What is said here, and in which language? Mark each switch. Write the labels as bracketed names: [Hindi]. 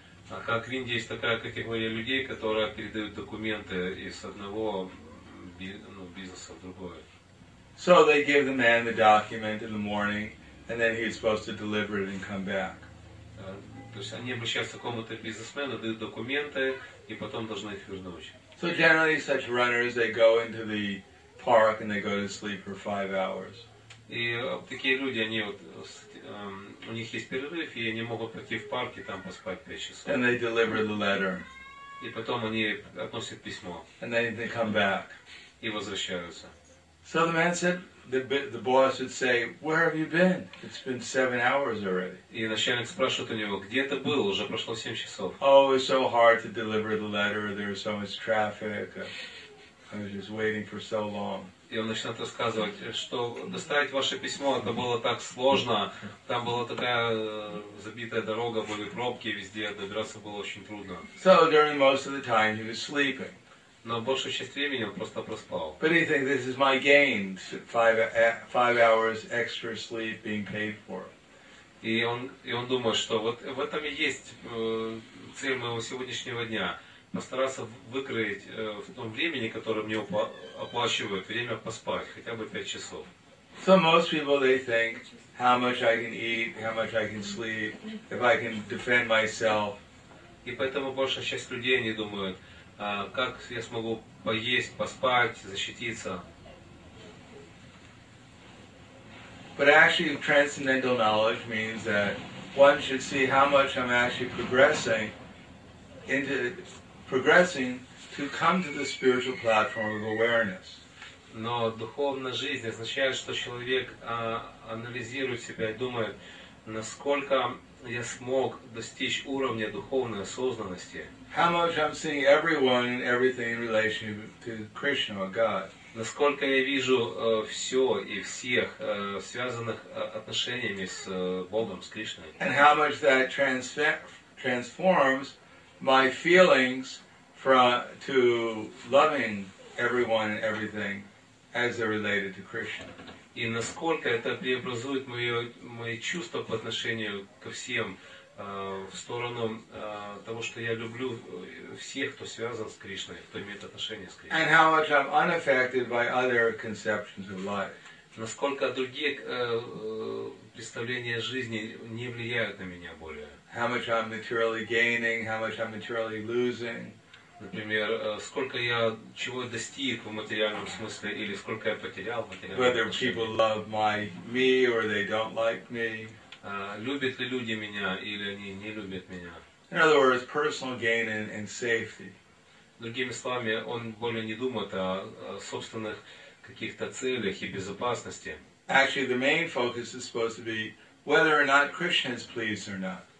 [Russian] А как в Индии есть такая категория людей, которые передают документы из одного бизнеса в другое? [English] So they give the man the document in the morning, and then he's supposed to deliver it and come back. [Russian] То есть они обращаются к какому-то бизнесмену, дают документы, и потом должны их вернуть. [English] So generally such runners, they go into the park and they go to sleep for 5 hours. [Russian] И такие люди, они вот, у них есть перерыв, и они могут пойти в парк и там поспать 5 часов. [English] And they deliver the letter. [Russian] И потом они относят письмо. [English] And then they come back. [Russian] И возвращаются. [English] So the man said, the boss would say, where have you been? It's been 7 hours already. [Russian] И начальник спрашивает у него, где ты был? Уже прошло 7 часов. [English] Oh, it's so hard to deliver the letter. There was so much traffic. I was just waiting for so long. [Russian] И он начинает рассказывать, что доставить ваше письмо, это было так сложно, там была такая забитая дорога, были пробки везде, добираться было очень трудно. [English] So during most of the time he was sleeping. [Russian] Но большую часть времени он просто проспал. [English] But he thinks this is my gain, five hours extra sleep being paid for. [Russian] И он думает, что вот в этом и есть цель моего сегодняшнего дня. Постараться выкроить в том времени, которое мне оплачивают, время поспать, хотя бы 5 часов. [English] So most people, they think, how much I can eat, how much I can sleep, if I can defend myself. [Russian] И поэтому большая часть людей, они думают, как я смогу поесть, поспать, защититься. [English] But actually, transcendental knowledge means that one should see how much I'm actually progressing to come to the spiritual platform of awareness. [Russian] Но духовная жизнь означает, что человек анализирует себя и думает, насколько я смог достичь уровня духовной осознанности. [English] How much I'm seeing everyone and everything in relation to Krishna or God. [Russian] Насколько я вижу все и всех связанных отношениями с Богом, с Кришной. [English] And how much that transforms my feelings to loving everyone and everything as they're related to Krishna. [Russian] И насколько это преобразует мои чувства по отношению ко всем в сторону того, что я люблю всех, кто связан с Кришной, кто имеет отношение с Кришной. [English] And how much I'm unaffected by other conceptions of life. [Russian] Насколько другие представления жизни не влияют на меня более. [English] How much I'm materially gaining, how much I'm materially losing. [Russian] Например, сколько я чего достиг в материальном смысле или сколько я потерял в материальном [English] Whether [Russian] отношении. [English] Whether people love me or they don't like me. [Russian] Любят ли люди меня или они не любят меня? [English] In other words, personal gain and safety. [Russian] Другими словами, он более не думает о собственных каких-то целях и безопасности. [English] Actually, the main focus is supposed to be whether or not Krishna is pleased or not.